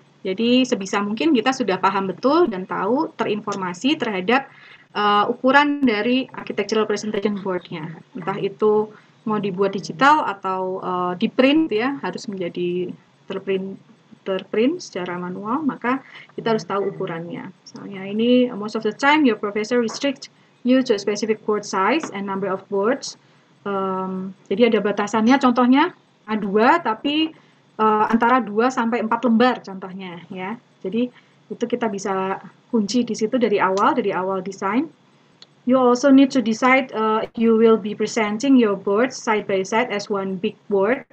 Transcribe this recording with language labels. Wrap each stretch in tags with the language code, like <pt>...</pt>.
<id>Jadi sebisa mungkin kita sudah paham betul dan tahu terinformasi terhadap ukuran dari architectural presentation board-nya. Entah itu mau dibuat digital atau di-print ya, harus menjadi terprint secara manual, maka kita harus tahu ukurannya. Misalnya ini,</id> <en>most of the time your professor restrict you to a specific board size and number of boards.</en> <id>Jadi ada batasannya, contohnya A2, tapi antara 2 sampai 4 lembar contohnya ya. Jadi itu kita bisa kunci di situ dari awal desain.</id> <en>You also need to decide if you will be presenting your board side by side as one big board.</en>